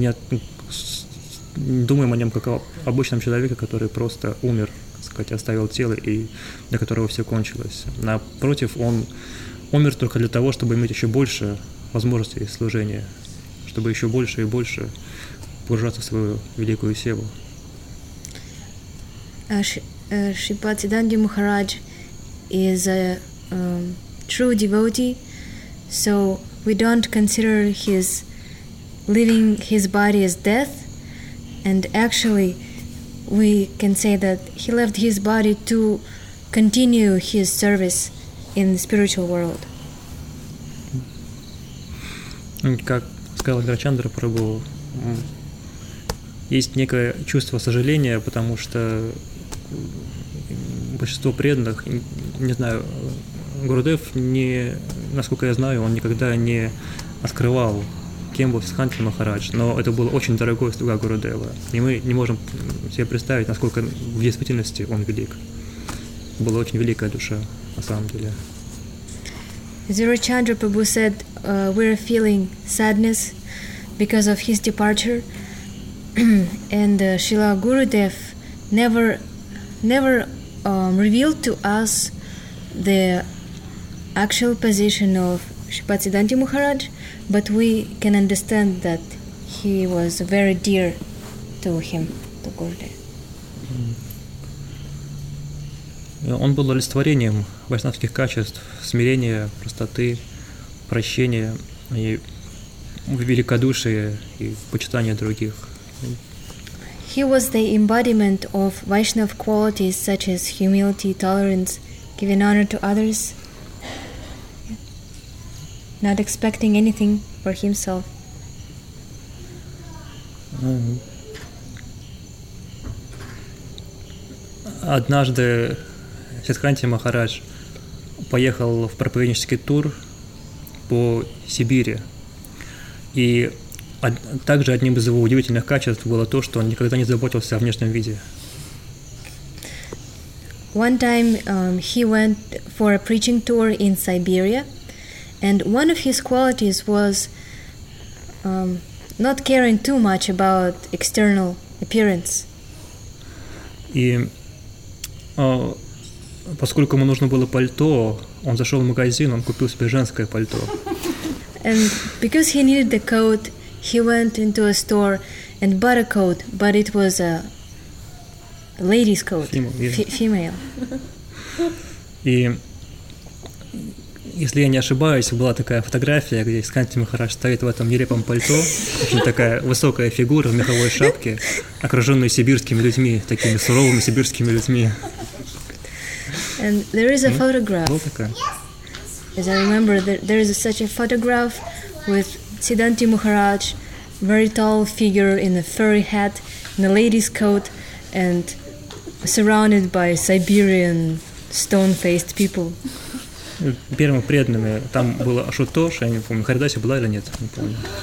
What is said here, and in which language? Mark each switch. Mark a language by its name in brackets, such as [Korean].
[Russian] Мы не думаем о нем как о обычном человеке, который просто умер, так сказать, оставил тело, и для которого все кончилось. Напротив, он умер только для того, чтобы иметь еще больше возможностей служения, чтобы еще больше и больше погружаться в свою великую севу. [English] Шрипад Сиддханти Махарадж is a true devotee, so we don't consider his leaving his body as death, and actually we can say that he left his body to continue his service in the spiritual world. [Russian] Как сказал Грачандра Прабху, есть некое чувство сожаления, потому что большинство преданных, не знаю, Гурудев, не, насколько я знаю, он никогда не открывал, кем был Сиддханти Махарадж, но это был очень дорогой слуга Гурудева, и мы не можем себе представить, насколько в действительности он велик. Была очень великая душа, на самом деле. [English] Зирачандра Прабху said, we're feeling sadness because of his departure, and Шрила Гурудев never revealed to us the actual position of Shripad Siddhanti Maharaj, but we can understand that he was very dear to him, to Gurudev. [Russian] Он был олицетворением вайшнавских качеств смирения, простоты, прощения и великодушия и почитания других. [English] He was the embodiment of Vaishnav qualities such as humility, tolerance, giving honor to others, not expecting anything for himself. [Russian] Однажды Сиддханти Махарадж поехал в проповеднический тур по Сибири, и также одним из его удивительных качеств было то, что он никогда не заботился о внешнем виде. [English] One time he went for a preaching tour in Siberia, and one of his qualities was not caring too much about external appearance. [Russian] И поскольку ему нужно было пальто, он зашел в магазин, он купил себе женское пальто. [English] And because he needed the coat, he went into a store and bought a coat, but it was a lady's coat, female. [Russian] И если я не ошибаюсь, была такая фотография, где Сиддханти Махарадж стоит в этом нелепом пальто, очень такая высокая фигура в меховой шапке, окруженная сибирскими людьми, такими суровыми сибирскими людьми. [English] And there is a photograph. As I remember, there is such a photograph with Siddhanti Maharaj, very tall figure in a furry hat, in a lady's coat, and surrounded by Siberian stone-faced people. [Russian] Первыми преданными там был Ашутош, я не помню, Харидаси была или нет, не помню.